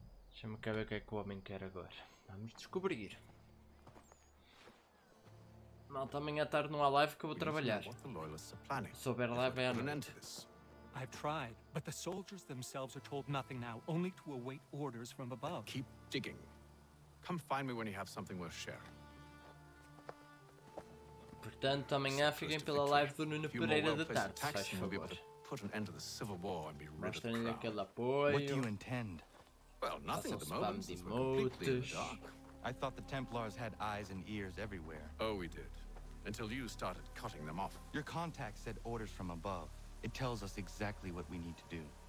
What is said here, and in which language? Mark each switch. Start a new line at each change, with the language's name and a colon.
Portuguese: Deixa-me cá ver o que é que o homem quer agora. Vamos descobrir. Malta, amanhã à tarde não há live que eu vou trabalhar. Se souber live, é a...
English: I've tried, but the soldiers themselves are told nothing now, only to await orders from above. Keep digging. Come find me when you have something worth sharing.
Portuguese: Portanto, amanhã fiquem pela live do Nuno Pereira de tarde, se faz favor.
English: Put an end to the civil war and be rid of the crowd.
Portuguese: Aquele apoio.
English: What do you intend? Well, nothing at the moment, since we're completely in the dark. I thought the Templars had eyes and ears everywhere. Oh, we did. Until you started cutting them off. Your contact said orders from above. It tells us exactly what we need to do.